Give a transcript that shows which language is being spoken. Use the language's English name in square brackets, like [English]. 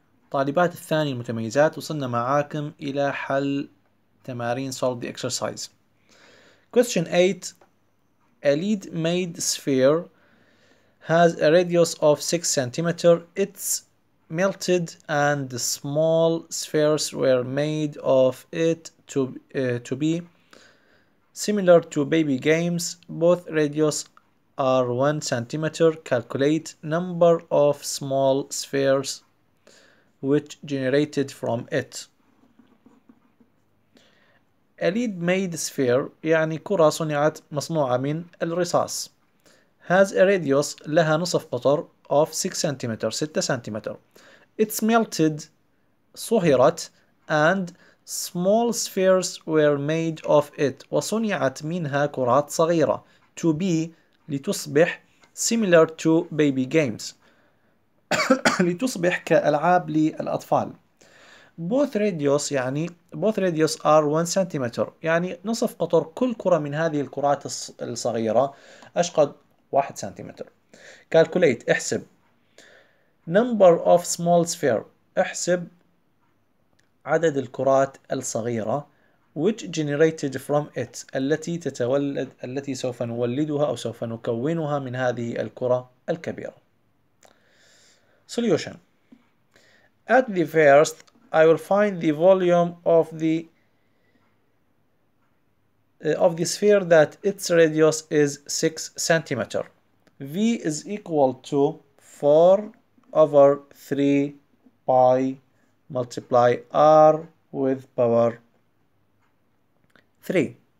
[Arabic] طالبات الثاني المتميزات، وصلنا معاكم إلى حل تمارين [English] solve the exercise. Question 8: A lead made sphere has a radius of 6 cm. It's melted and the small spheres were made of it to be similar to baby games. Both radius are 1 cm. Calculate number of small spheres which generated from it. A lead made sphere [Arabic] يعني كرة صنعت مصنوعة من الرصاص. [English] Has a radius [Arabic] لها نصف قطر [English] of 6 cm 6 cm. It's melted [Arabic] صهرت [English] and small spheres were made of it [Arabic] وصنعت منها كرات صغيرة. [English] To be [Arabic] لتصبح [English] similar to baby games [Arabic] لتصبح كألعاب للأطفال. [English] Both radius [Arabic] يعني [English] both radius are 1 cm [Arabic] يعني نصف قطر كل كرة من هذه الكرات الصغيرة أشقد 1 cm. [English] Calculate [Arabic] احسب [English] number of small sphere [Arabic] احسب عدد الكرات الصغيرة [English] which generated from it [Arabic] التي تتولد التي سوف نولدها أو سوف نكونها من هذه الكرة الكبيرة. [English] Solution: At the first, I will find the volume of the sphere that its radius is 6 cm. V is equal to 4 over 3 pi multiply r with power 3.